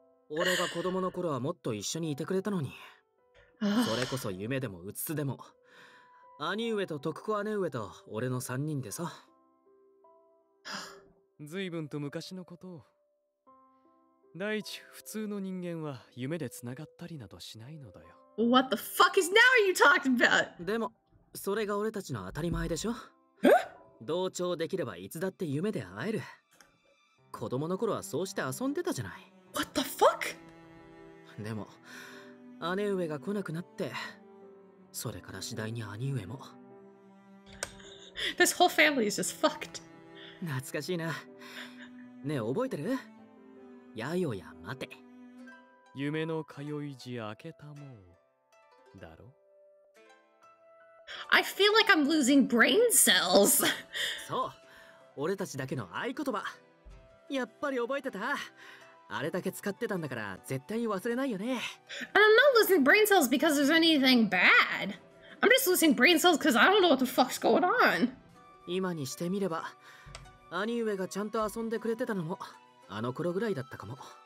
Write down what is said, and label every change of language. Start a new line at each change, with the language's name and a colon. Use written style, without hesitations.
Japanese: 俺が子供の頃はもっと一緒にいてくれたのに。それこそ夢でもうつつでも、兄上と徳子姉上と俺の3人でさ。随分と昔のこと。第一、普通の人間は夢でつながったりなどしないのだよ。
English: What the fuck is now you talking about?
Japanese: でも、それが俺たちの当たり前でしょ。同調できればいつだって夢で会える。子供の頃はそうして遊んでたじゃない。
English: What the fuck?
Japanese: でも、姉上が来なくなって、それから次第に兄上も。
English: This whole family is just fucked.
Japanese: 懐かしいな。ねえ、覚えてる？やよや待て。夢の通い路明けたもん。だろ？
English: I feel like I'm losing brain cells.
Japanese: そう、俺たちだけの合言葉。やっぱり覚えてた。あれだけ使ってたんだから絶対忘れないよね。
English: And I'm not losing brain cells because there's anything bad. I'm just losing brain cells because I don't know what the fuck's going on.
Japanese: 今にしてみれば、兄上がちゃんと遊んでくれてたのもあの頃ぐらいだったかも。